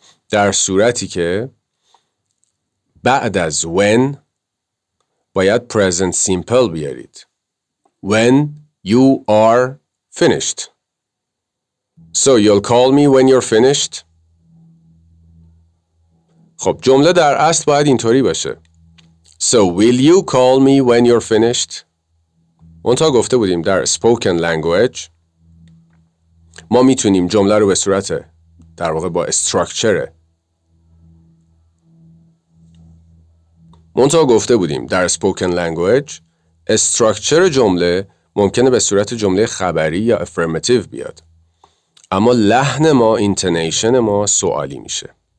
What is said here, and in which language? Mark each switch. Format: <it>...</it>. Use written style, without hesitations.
<fa>در صورتی که بعد از when باید present simple بیارید.</fa> <en>When you are finished. So you'll call me when you're finished.</en> <fa>خب جمله در اصل باید اینطوری باشه.</fa> <en>So will you call me when you're finished?</en> <fa>اونتا گفته بودیم در spoken language ما میتونیم جمله رو به صورت در واقع با structure اونتا گفته بودیم در spoken language structure جمله ممکنه به صورت جمله خبری یا affirmative بیاد، اما لحن ما intonation ما سوالی میشه.</fa>